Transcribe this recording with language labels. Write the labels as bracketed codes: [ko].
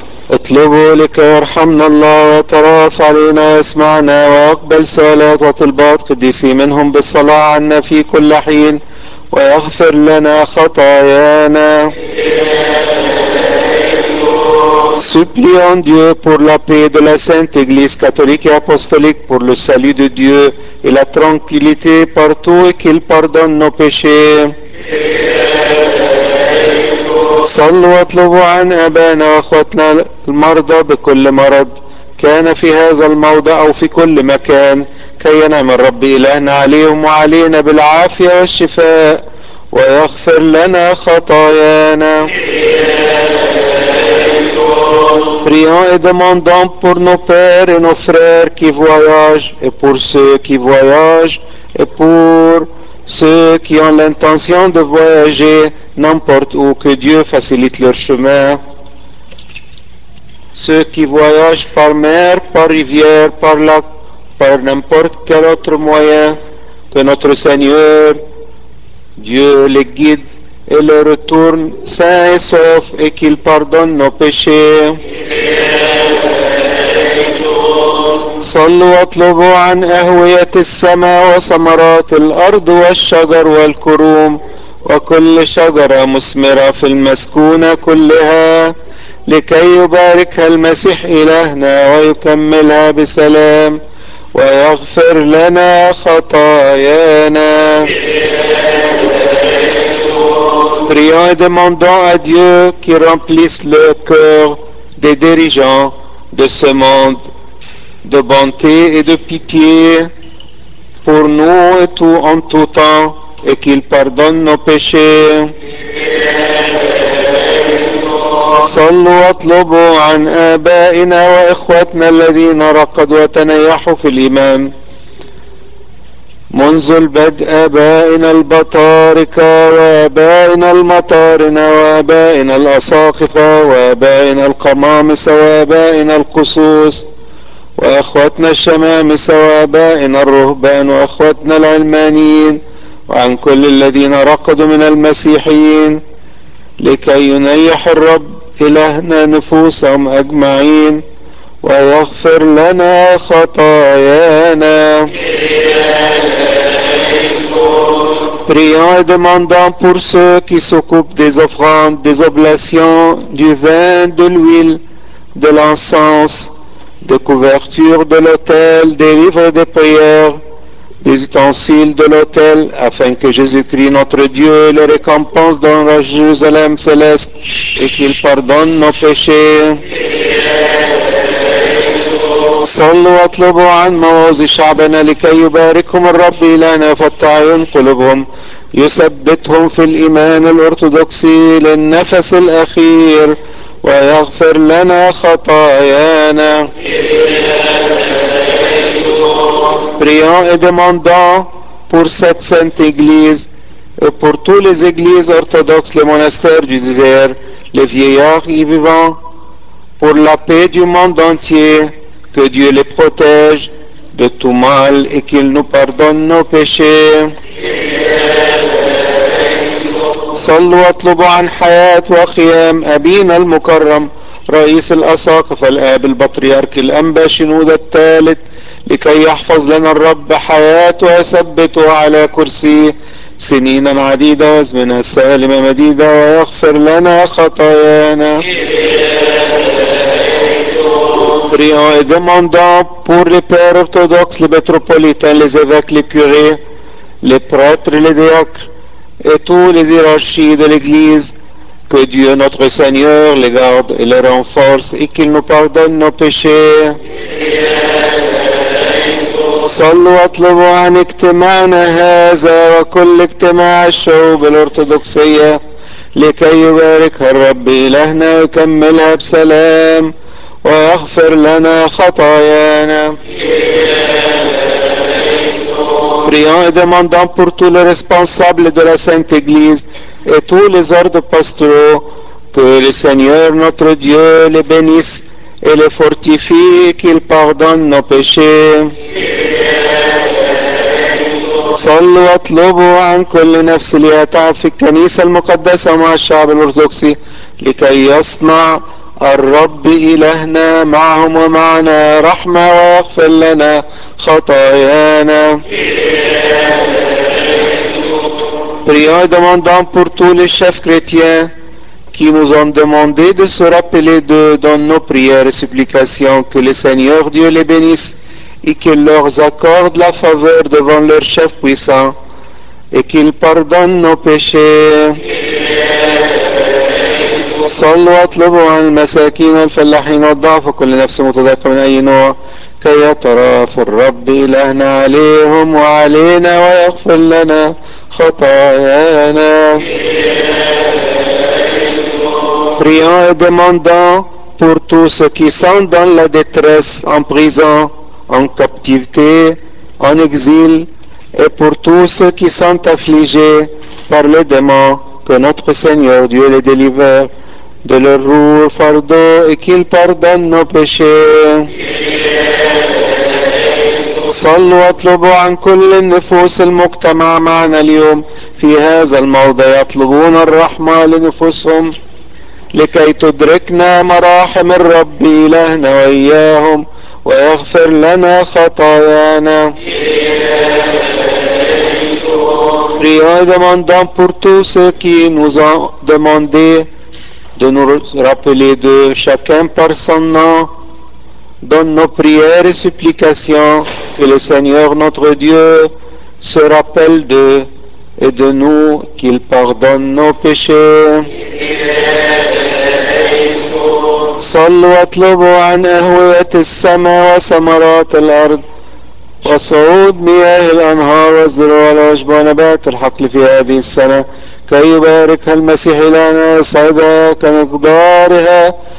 [ar] اطلبوا لك وارحمنا الله وترافع علينا واسمعنا واقبل سؤالات وطلبات قديسي منهم بالصلاة عنا في كل حين ويغفر لنا خطايانا. [fr] Supplions Dieu pour la paix de la Sainte Église catholique et apostolique, pour le salut de Dieu et la tranquillité partout et qu'il pardonne nos péchés. [ar] صلوا واطلبوا عن أبانا وأخواتنا المرضى بكل مرض كان في هذا الموضع أو في كل مكان كي ينعم الرب إلهنا عليهم وعلينا بالعافية والشفاء ويغفر لنا خطايانا. [fr] Prions et demandons pour nos pères et nos frères qui voyagent, et pour ceux qui voyagent, et pour ceux qui ont l'intention de voyager n'importe où, que Dieu facilite leur chemin. Ceux qui voyagent par mer, par rivière, par lac, par n'importe quel autre moyen, que notre Seigneur, Dieu les guide et les retourne sains et saufs, et qu'il pardonne nos péchés. [ar] صل واطلبوا عن أهوية السماء وثمرات الأرض والشجر والكروم وكل شجرة مثمرة في المسكونة كلها، لكي يباركها المسيح إلهنا ويكملها بسلام ويغفر لنا خطايانا. [fr] Prions et demandons à Dieu qu'il remplisse le cœur des dirigeants de ce monde de bonté et de pitié pour nous et tout en tout temps et qu'il pardonne nos péchés. [ar] صلوا واطلبوا عن آبائنا وإخواتنا الذين رقدوا وتنيحوا في الإيمان منذ البدء، آبائنا البطاركة وآبائنا المطارنة وآبائنا الأساقفة وآبائنا القمامسة وآبائنا القصوص وإخواتنا الشمامسة وآبائنا الرهبان وإخواتنا العلمانيين وعن كل الذين رقدوا من المسيحيين، لكي ينيح الرب إلهنا نفوسهم أجمعين ويغفر لنا خطايانا. [fr] Prions et demandons pour ceux qui s'occupent des offrandes, des oblations, du vin, de l'huile, de l'encens, des couvertures de l'autel, des livres de prières, des ustensiles de l'autel, afin que Jésus-Christ, notre Dieu, le récompense dans la Jérusalem céleste et qu'il pardonne nos péchés. [ar] صلوا واطلبوا عن موازي شعبنا لكي يباركهم الرب إلهنا فتعين قلوبهم يثبتهم في الإيمان الأرثوذكسي للنفس الأخير ويغفر لنا خطايانا. [fr] Prions et demandons pour cette sainte église et pour tous les églises orthodoxes, les monastères du désert, les vieillards y vivant, pour la paix du monde entier. Que Dieu les protège de tout mal et qu'il nous pardonne nos péchés. [ar] صلوا واطلبوا عن حياة وقيام أبينا المكرم رئيس الأساقفة الآب البطريرك الأنبا شنودة الثالث لكي يحفظ لنا الرب حياته ويثبته على كرسي سنين عديدة وزمنا سالمة مديدة ويغفر لنا خطايانا. [fr] Prions et demandons pour les pères orthodoxes, les métropolitains, les évêques, les curés, les prêtres, les diacres et tous les hiérarchies de l'Église, que Dieu notre Seigneur les garde et les renforce et qu'il nous pardonne nos péchés. [ar] صلوا واطلبوا عن اجتماعنا هذا وكل اجتماع الشعوب الأرثوذكسية لكي يبارك الرب إلهنا ويكملها بسلام ويغفر لنا خطايانا. [fr] Prions et demandons pour tous les responsables de la Sainte Église et tous les ordres pastoraux que le Seigneur notre Dieu les bénisse et les fortifie et qu'il pardonne nos péchés. [ar] صلوا واطلبوا عن كل نفس ليها تعب في الكنيسة المقدسة مع الشعب الأرثوذكسي لكي يصنع الرب إلهنا معهم ومعنا رحمة ويغفر لنا خطايانا. [fr] Prions et demandons pour tous les chefs chrétiens qui nous ont demandé de se rappeler d'eux dans nos prières et supplications, que le Seigneur Dieu les bénisse et qu'il leur accorde la faveur devant leur chef puissant et qu'il pardonne nos péchés. [ar] صلوا واطلبوا عن المساكين والفلاحين والضعف وكل نفس متضايقة من أي نوع كي يترافق الرب إلهنا عليهم وعلينا ويغفر لنا خطايانا. [fr] Prions et demandons pour tous ceux qui sont dans la détresse, en prison, en captivité, en exil, et pour tous ceux qui sont affligés par les démons, que notre Seigneur Dieu les délivre de leur lourd fardeau et qu'il pardonne nos péchés. [ar] صلوا واطلبوا عن كل النفوس المجتمع معنا اليوم في هذا الموضع يطلبون الرحمة لنفوسهم لكي تدركنا مراحم الرب إلهنا وإياهم ويغفر لنا خطايانا. [fr] Prions demandant pour tous ceux qui nous ont demandé de nous rappeler de chacun par son nom. Donne nos prières et supplications que le Seigneur notre Dieu se rappelle d'eux et de nous, qu'il pardonne nos péchés. [ar] صلوا واطلبوا عن أهوية السماء وثمرات الأرض وصعود مياه الأنهار والزروع والعشبان نبات الحقل في هذه السنة كي يباركها المسيح لنا يصعدها كمقدارها